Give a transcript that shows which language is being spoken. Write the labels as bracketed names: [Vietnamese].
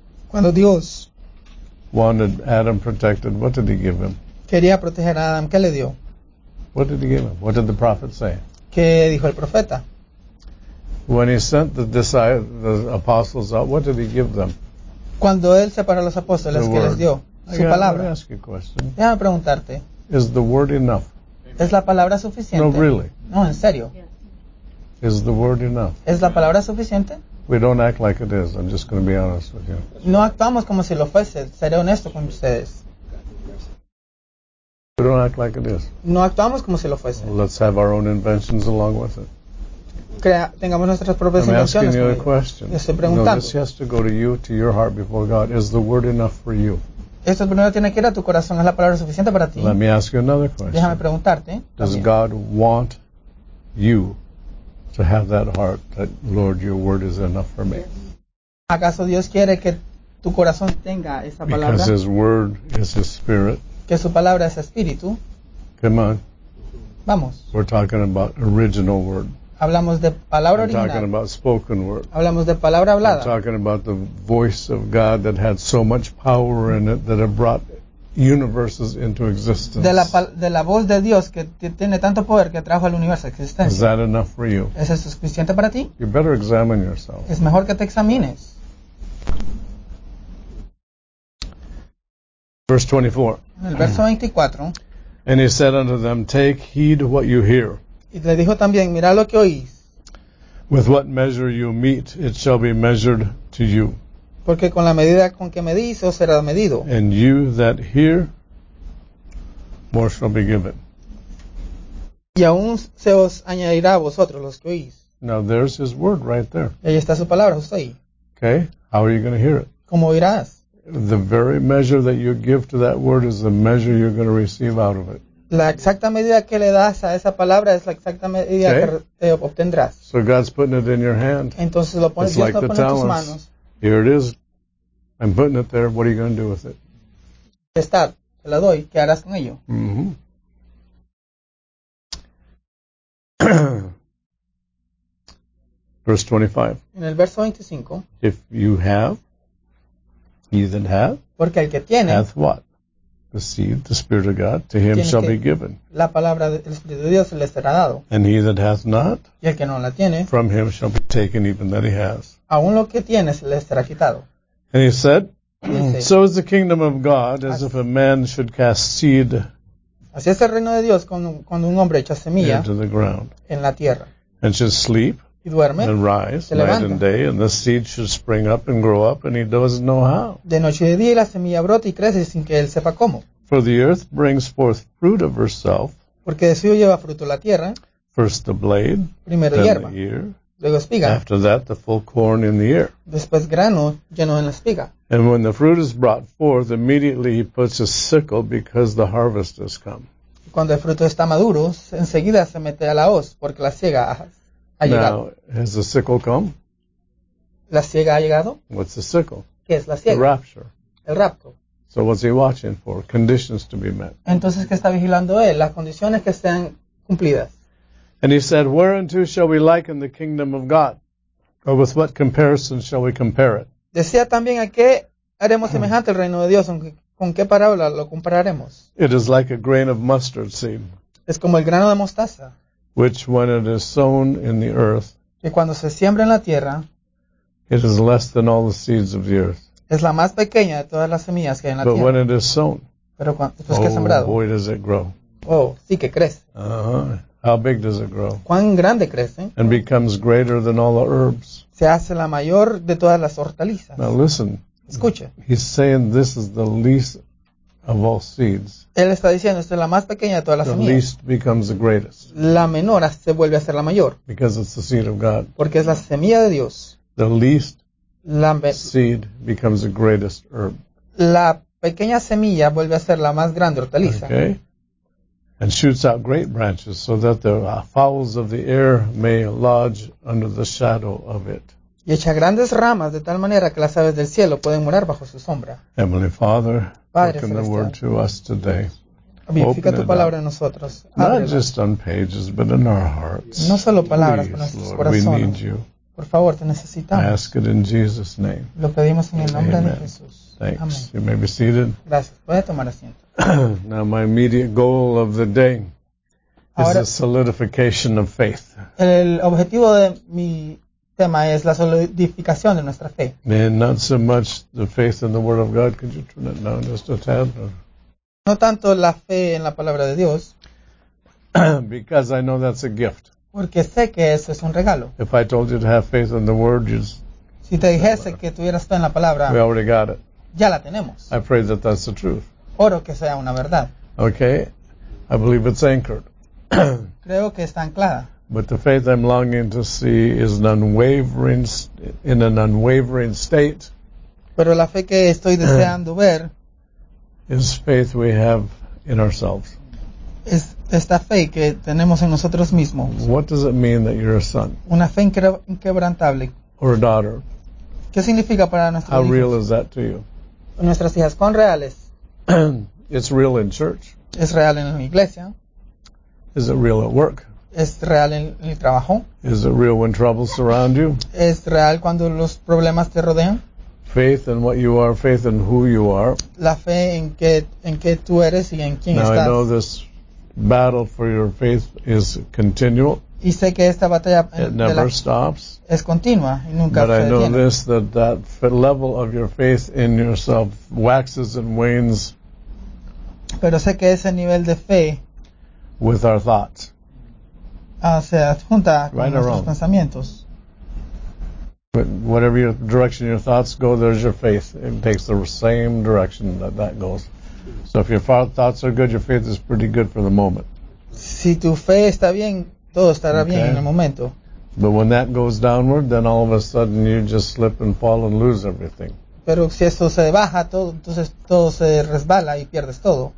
[Spanish] Cuando Dios [English] wanted Adam protected, what did he give him? [Spanish] Quería proteger a Adam. ¿Qué le dio? [English] What did he give him? What did the prophet say? [Spanish] ¿Qué dijo el profeta? [English] When he sent the apostles out, what did he give them? [Spanish] Cuando él separó a los apóstoles, ¿qué les dio? Su palabra. [English] Let me ask you a question. [Spanish] Déjame preguntarte. [English] Is the word enough? [Spanish] ¿Es la palabra suficiente? [English] No, really. [Spanish] No, en serio. [English] Is the word enough? [Spanish] ¿Es la palabra suficiente? [English] We don't act like it is. I'm just going to be honest with you. [Spanish] No actuamos como si lo fuese. Seré honesto con ustedes. [English] We don't act like it is. [Spanish] No actuamos como si lo fuese. [English] Let's have our own inventions along with it. [Spanish] Tengamos nuestras propias invenciones. [English] I'm asking you a question. [Spanish] Estoy preguntando. [English] No, this has to go to you, to your heart before God. Is the word enough for you? [Spanish] Esto primero tiene que ir a tu corazón. ¿Es la palabra suficiente para ti? [English] Let me ask you another question. [Spanish] Déjame preguntarte. [English] Does God want you to have that heart that, Lord, your word is enough for me? [Spanish] ¿Acaso Dios quiere que tu corazón tenga esa palabra? [English] Because his word is his spirit. [Spanish] Que su palabra es espíritu. [English] Come on. [Spanish] Vamos. [English] We're talking about original word. [Spanish] Hablamos de palabra [English] I'm [Spanish] original. [English] Talking about spoken word. [Spanish] Hablamos de palabra hablada. [English] I'm talking about the voice of God that had so much power in it that it brought universes into existence. [Spanish] De la voz de Dios que tiene tanto poder que trajo al universo a existencia. [English] Is that enough for you? [Spanish] ¿Es eso suficiente para ti? [English] You better examine yourself. [Spanish] Es mejor que te examines. [English] Verse 24. [Spanish] El verso 24. [English] And he said unto them, take heed what you hear. [Spanish] Y le dijo también, mira lo que oís. [English] With what measure you meet, it shall be measured to you. [Spanish] Porque con la medida con que medís, os será medido. [English] And you that hear, more shall be given. [Spanish] Y aún se os añadirá a vosotros los que oís. [English] Now there's his word right there. [Spanish] Ahí está su palabra, justo ahí. [English] Okay, how are you going to hear it? [Spanish] ¿Cómo oirás? [English] The very measure that you give to that word is the measure you're going to receive out of it. [Spanish] La exacta medida que le das a esa palabra es la exacta medida [English] okay. [Spanish] que te obtendrás. [English] So God's putting it in your hand. [Spanish] Entonces lo pones [English] like [Spanish] en tus manos. [English] Here it is. I'm putting it there. What are you going to do with it? [Spanish] Está. Te la doy. ¿Qué harás con ello? [English] Verse 25. [Spanish] En el verso 25. [English] If you have, he that have. [Spanish] Porque el que tiene. [English] Hath what? The seed, the Spirit of God, to him shall be given. [Spanish] La palabra del Espíritu de Dios le será dado. [English] And he that hath not, [Spanish] y el que no la tiene, [English] from him shall be taken even that he has. [Spanish] Aún lo que tiene se le será quitado. [English] And he said, so is the kingdom of God, as if a man should cast seed [Spanish] así es el reino de Dios cuando un hombre echa semilla [English] into the ground [Spanish] en la tierra. [English] And should sleep [Spanish] y duerme, [English] and rise night and day, and the seed should spring up and grow up, and he doesn't know how. [Spanish] De noche de día la semilla brota y crece sin que él sepa cómo. [English] For the earth brings forth fruit of herself. [Spanish] Porque de suyo lleva fruto la tierra. [English] First the blade, [Spanish] primero [English] then [Spanish] hierba, [English] the ear, [Spanish] luego espiga. [English] After that the full corn in the ear. [Spanish] Después grano lleno en la espiga. [English] And when the fruit is brought forth, immediately he puts a sickle because the harvest has come. [Spanish] Cuando el fruto está maduro, enseguida se mete a la hoz porque la siega. [English] Now, has the sickle come? [Spanish] ¿La siega ha llegado? [English] What's the sickle? [Spanish] ¿Qué es la siega? [English] The rapture. [Spanish] El rapto. [English] So what's he watching for? Conditions to be met. [Spanish] Entonces, ¿qué está vigilando él? Las condiciones que sean cumplidas. [English] And he said, whereunto shall we liken the kingdom of God? Or with what comparison shall we compare it? [Spanish] Decía también, ¿a qué haremos semejante el reino de Dios? ¿Con qué parábola lo compararemos? [English] It is like a grain of mustard seed. [Spanish] Es como el grano de mostaza. [English] Which when it is sown in the earth, [Spanish] y cuando se siembra en la tierra, [English] it is less than all the seeds of the earth. [Spanish] Es la más pequeña de todas las semillas que hay en la [English] but [Spanish] tierra. [English] But when it is sown, [Spanish] pero cuando, después que es sembrado, [English] boy, does it grow. [Spanish] Oh, sí que crece. [English] Uh-huh. How big does it grow? [Spanish] ¿Cuán grande crece? [English] And becomes greater than all the herbs. [Spanish] Se hace la mayor de todas las hortalizas. [English] Now listen. [Spanish] Escuche. [English] He's saying this is the least of all seeds. [Spanish] Él está diciendo, esta es la más pequeña de todas las [English] the [Spanish] semillas. [English] Least becomes the greatest. [Spanish] La menor se vuelve a ser la mayor. [English] Because it's the seed of God. [Spanish] Porque es la semilla de Dios. [English] The least seed becomes the greatest herb. [Spanish] La pequeña semilla vuelve a ser la más grande hortaliza. [English] Okay. And shoots out great branches so that the fowls of the air may lodge under the shadow of it. [Spanish] Y echa grandes ramas de tal manera que las aves del cielo pueden morar bajo su sombra. [English] Heavenly Father, [Spanish] Padre [English] open [Spanish] Celestial, [English] the word to us today. [Spanish] Vivifica tu palabra en nosotros. [English] Not just on pages, but in our hearts. [Spanish] No solo palabras, pero en nuestros [English] Lord, [Spanish] corazones. [English] We need you. [Spanish] Por favor, te necesitamos. [English] I ask it in Jesus' name. [Spanish] Lo pedimos en el nombre [English] Amen. [Spanish] De Jesús. [English] Thanks. [Spanish] Amén. [English] You may be seated. [Spanish] Gracias. Puede tomar asiento. [English] Now my immediate goal of the day is the solidification of faith. [Spanish] El objetivo de mi tema es la solidificación de nuestra fe. [English] And not so much the faith in the Word of God. Could you turn it down just a tad? Or? [Spanish] No tanto la fe en la palabra de Dios. [English] Because I know that's a gift. [Spanish] Porque sé que eso es un regalo. [English] If I told you to have faith in the Word, you'd... [Spanish] Si te dijese que tuvieras fe en la palabra, [English] we already got it. [Spanish] Ya la tenemos. [English] I pray that that's the truth. [Spanish] Oro que sea una verdad. [English] Okay, I believe it's anchored. [Spanish] Creo que está anclada. [English] But the faith I'm longing to see is an unwavering, in an unwavering state. [Spanish] Pero la fe que estoy deseando ver [English] is faith we have in ourselves. [Spanish] Es esta fe que tenemos en nosotros mismos. [English] What does it mean that you're a son? [Spanish] Una fe inquebrantable. [English] Or a daughter. [Spanish] ¿Qué significa para nuestros [English] How [Spanish] hijos? [English] Real is that to you? [Spanish] Nuestras hijas, ¿cuán reales? [English] It's real in church. [Spanish] Es real en la iglesia. [English] Is it real at work? [Spanish] Es real en el trabajo. [English] Is it real when troubles surround you? [Spanish] Es real cuando los problemas te rodean. [English] Faith in what you are, faith in who you are. [Spanish] La fe en que tú eres y en quién [English] Now [Spanish] estás. [English] I know this battle for your faith is continual. [Spanish] Y sé que esta batalla [English] It never stops. [Spanish] Es continua y nunca [English] But [Spanish] se detiene. [English] But I know this, that level of your faith in yourself waxes and wanes. [Spanish] Pero sé que ese nivel de fe [English] with our thoughts. [Spanish] Se adjunta [English] right [Spanish] con nuestros pensamientos. [English] But whatever your direction your thoughts go, there's your faith. It takes the same direction that goes. So if your thoughts are good, your faith is pretty good for the moment. [Spanish] Si tu fe está bien, todo estará [English] okay. [Spanish] bien en el momento. [English] But when that goes downward, then all of a sudden you just slip and fall and lose everything. [Spanish] Pero si eso se baja, todo, entonces todo se resbala y pierdes todo.